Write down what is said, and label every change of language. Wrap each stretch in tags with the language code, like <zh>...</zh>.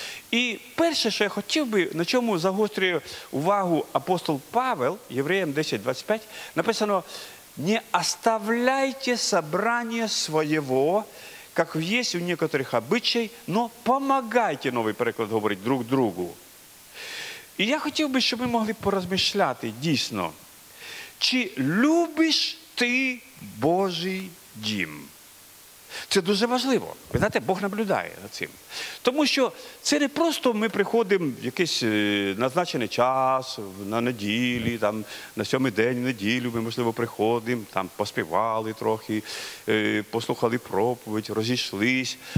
<uk>І перше, що я хотів би, на чому загострює увагу апостол Павел, Євреям 10:25, написано, не оставляйте собрання своєго,</uk> <ru>как есть у некоторых обычай, но помогайте, новый</ru> <uk>переклад говорить,</uk> <ru>друг другу. И я хотел бы, чтобы мы могли поразмышлять, действительно, чи любишь ты Божий дім?</ru> <uk>Це дуже важливо. Ви знаєте, Бог наблюдає за цим. Тому що це не просто ми приходимо в якийсь назначений час, на неділі, там, на сьомий день неділю ми, можливо, приходимо, там, поспівали трохи, послухали проповідь, розійшлись.</uk>